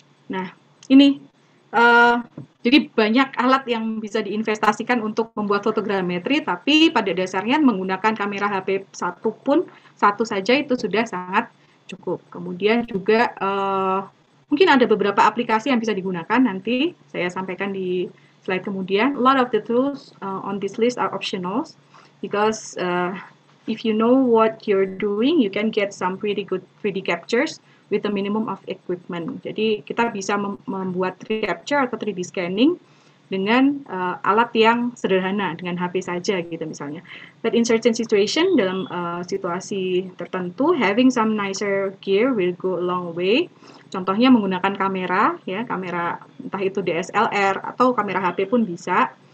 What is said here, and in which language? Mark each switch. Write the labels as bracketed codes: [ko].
[id] Nah, ini jadi banyak alat yang bisa diinvestasikan untuk membuat fotogrametri, tapi pada dasarnya menggunakan kamera HP satu pun, satu saja itu sudah sangat cukup. Kemudian juga mungkin ada beberapa aplikasi yang bisa digunakan, nanti saya sampaikan di slide kemudian. [en] A lot of the tools on this list are optional, because if you know what you're doing, you can get some pretty good 3D captures with a minimum of equipment. [id] Jadi kita bisa membuat 3D capture atau 3D scanning dengan alat yang sederhana, dengan HP saja gitu misalnya. [en] But in certain situation, [id] dalam situasi tertentu, [en] having some nicer gear will go a long way. [id] Contohnya menggunakan kamera, ya, kamera entah itu DSLR atau kamera HP pun bisa.